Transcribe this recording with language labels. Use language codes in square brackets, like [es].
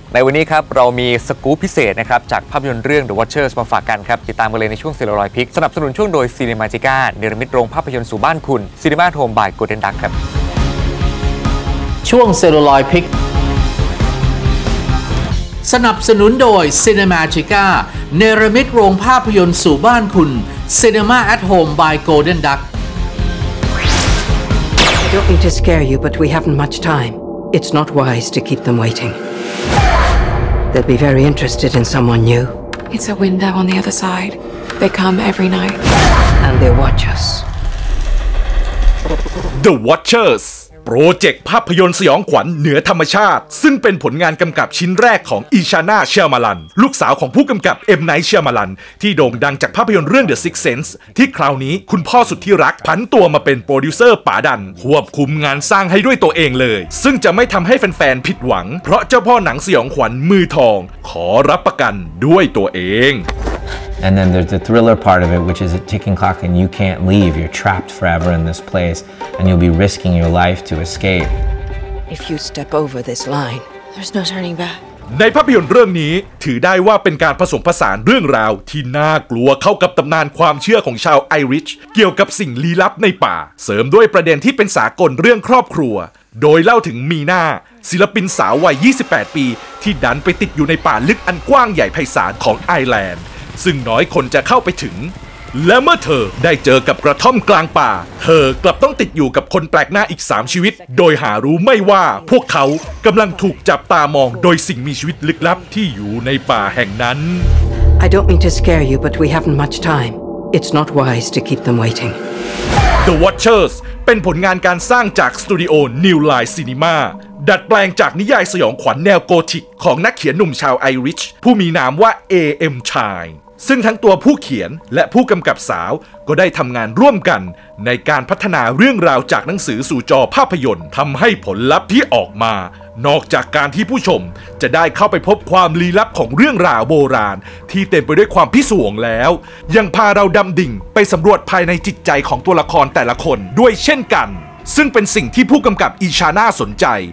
[th] ในวันนี้ครับเรามีสกู๊ปพิเศษนะครับจากภาพยนตร์เรื่อง The Watchers มาฝากกันครับติดตามกันเลยในช่วงเซลลูลอยด์พิกสนับสนุนช่วงโดย Cinemagica เนรมิตโรงภาพยนตร์สู่บ้านคุณ Cinema Home by Golden Duck ครับ ช่วงเซลลูลอยด์พิกสนับสนุนโดย Cinemagica เนรมิตโรงภาพยนตร์สู่บ้านคุณ Cinema at Home by Golden Duck [en] I don't mean to scare you, but we haven't much time. It's not wise to keep them waiting. They'll be very interested in someone new. It's a window on the other side. They come every night. And they watch us. The Watchers. [th] โปรเจกต์ภาพยนตร์สยองขวัญเหนือธรรมชาติซึ่งเป็นผลงานกำกับชิ้นแรกของอีชาน่าเชียมาลันลูกสาวของผู้กำกับเอ็มไนท์เชียมาลันที่โด่งดังจากภาพยนตร์เรื่อง The Sixth Sense ที่คราวนี้คุณพ่อสุดที่รักผันตัวมาเป็นโปรดิวเซอร์ป๋าดันควบคุมงานสร้างให้ด้วยตัวเองเลยซึ่งจะไม่ทำให้แฟนๆผิดหวังเพราะเจ้าพ่อหนังสยองขวัญมือทองขอรับประกันด้วยตัวเอง [en] And then there's the thriller part of it which is a ticking clock and you can't leave you're trapped forever in this placeAnd you'll be risking your life to escape. If you step over this line, there's no turning back. [th] ในภาพยนตร์เรื่องนี้ถือได้ว่าเป็นการผสมผสานเรื่องราวที่น่ากลัวเข้ากับตำนานความเชื่อของชาวไอริชเกี่ยวกับสิ่งลี้ลับในป่าเสริมด้วยประเด็นที่เป็นสากลเรื่องครอบครัวโดยเล่าถึงมีนาศิลปินสาววัย28ปีที่ดันไปติดอยู่ในป่าลึกอันกว้างใหญ่ไพศาลของไอแลนด์ซึ่งน้อยคนจะเข้าไปถึง และเมื่อเธอได้เจอกับกระท่อมกลางป่าเธอกลับต้องติดอยู่กับคนแปลกหน้าอีก3ชีวิตโดยหารู้ไม่ว่าพวกเขากำลังถูกจับตามองโดยสิ่งมีชีวิตลึกลับที่อยู่ในป่าแห่งนั้น [en] I don't mean to scare you but we haven't much time It's not wise to keep them waiting [th] The Watchers เป็นผลงานการสร้างจากสตูดิโอ New Line Cinemaดัดแปลงจากนิยายสยองขวัญแนวโกธิกของนักเขียนหนุ่มชาวไอริชผู้มีนามว่า A.M. Chine ซึ่งทั้งตัวผู้เขียนและผู้กำกับสาวก็ได้ทำงานร่วมกันในการพัฒนาเรื่องราวจากหนังสือสู่จอภาพยนตร์ทำให้ผลลัพธ์ที่ออกมานอกจากการที่ผู้ชมจะได้เข้าไปพบความลี้ลับของเรื่องราวโบราณที่เต็มไปด้วยความพิศวงแล้วยังพาเราดำดิ่งไปสำรวจภายในจิตใจของตัวละครแต่ละคนด้วยเช่นกันซึ่งเป็นสิ่งที่ผู้กำกับอิชาน่าสนใจ